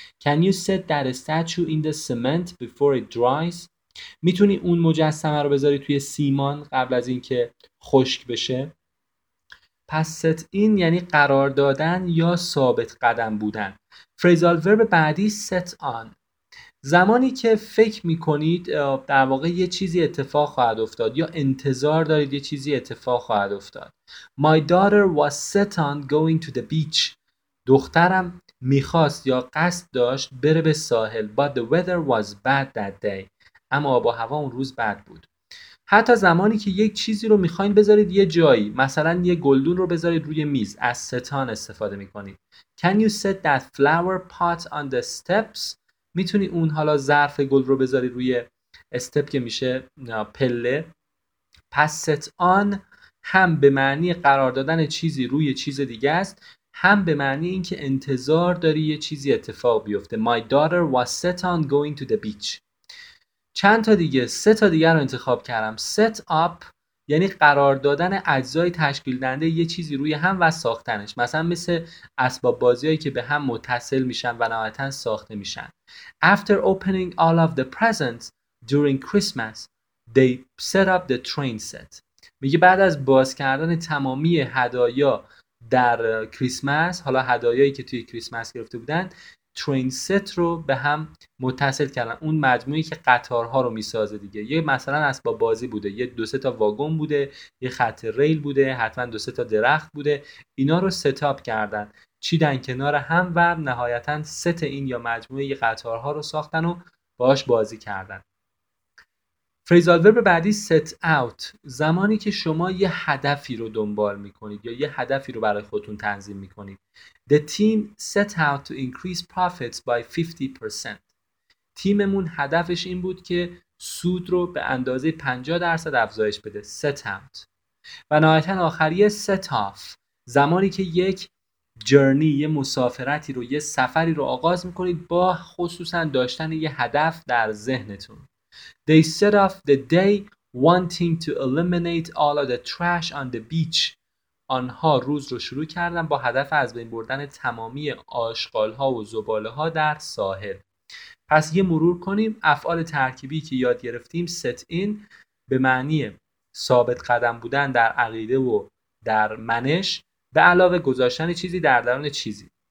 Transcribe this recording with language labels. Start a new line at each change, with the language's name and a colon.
English: Can you set that statue in the cement before it dries؟
Persian: میتونی اون مجسمه رو بذاری توی سیمان قبل از اینکه خشک بشه؟ پس set in یعنی قرار دادن یا ثابت قدم بودن. فریزال ورب بعدی set on، زمانی که فکر میکنید در واقع یه چیزی اتفاق خواهد افتاد یا انتظار دارید یه چیزی اتفاق خواهد افتاد.
English: My daughter was set on going to the beach.
Persian: دخترم میخواست یا قصد داشت بره به ساحل.
English: But the weather was bad that day.
Persian: اما آب و هوا اون روز بد بود. حتی زمانی که یک چیزی رو میخواین بذارید یه جایی، مثلا یه گلدون رو بذارید روی میز، از set on استفاده میکنید.
English: Can you set that flower pot on the steps؟
Persian: میتونی اون حالا ظرف گل رو بذاری روی استپ که میشه پله. پس set on هم به معنی قرار دادن چیزی روی چیز دیگه است، هم به معنی اینکه انتظار داری یه چیزی اتفاق بیفته.
English: My daughter was set on going to the beach.
Persian: چند تا دیگه، سه تا دیگه رو انتخاب کردم. set up یعنی قرار دادن اجزای تشکیل دهنده یه چیزی روی هم و ساختنش، مثلا مثل اسباب بازیایی که به هم متصل میشن و نهایتاً ساخته میشن.
English: After opening all of the presents during Christmas, they set up the train set.
Persian: میگه بعد از باز کردن تمامی هدایا در کریسمس، حالا هدایایی که توی کریسمس گرفته بودن، ترین ست رو به هم متصل کردن، اون مجموعی که قطارها رو میسازه دیگه. یه مثلا اسباب بازی بوده، یه دو سه تا واگن بوده، یه خط ریل بوده، حتما دو سه تا درخت بوده، اینا رو ستاپ کردن، چیدن کنار هم و نهایتا ست این یا مجموعه قطارها رو ساختن و باش بازی کردن. فریزال ورب بعدی ست اوت، زمانی که شما یه هدفی رو دنبال میکنید یا یه هدفی رو برای خودتون تنظیم میکنید.
English: The team set out to increase profits by 50%.
Persian: تیممون هدفش این بود که سود رو به اندازه 50% افزایش بده.
English: Set out.
Persian: و نهایتا آخری set off، زمانی که یک جرنی، یه مسافرتی رو، یه سفری رو آغاز میکنید با خصوصا داشتن یه هدف در ذهنتون.
English: They set off the day wanting to eliminate all of the trash on the beach.
Persian: آنها روز رو شروع کردن با هدف از بین بردن تمامی آشغال‌ها و زباله‌ها در ساحل. پس یه مرور کنیم افعال ترکیبی که یاد گرفتیم. set in به معنی ثابت قدم بودن در عقیده و در منش، به علاوه گذاشتن چیزی در درون چیزی.